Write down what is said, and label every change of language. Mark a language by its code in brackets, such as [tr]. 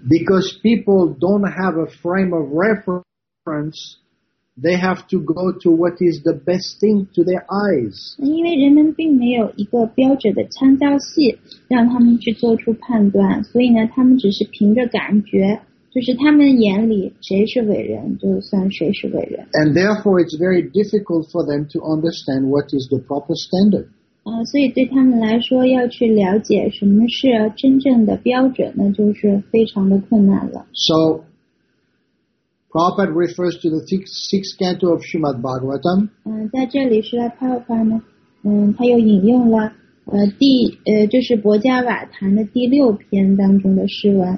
[en] because people don't have a frame of reference they have to go to what is the best thing to their eyes [zh] 因为人们并没有一个标准的参照系让他们去做出判断所以呢他们只是凭着感觉就是他们眼里谁是伟人就算谁是伟人 [en] and therefore it's very difficult for them to understand what is the proper standard [zh] 所以对他们来说要去了解什么是真正的标准那就是非常的困难了 [en] soProbably refers to the sixth canto of Srimad Bhagavatam. [zh] 在这里是来拍法呢，他又引用了就是《薄伽瓦坛》的第六篇当中的诗文。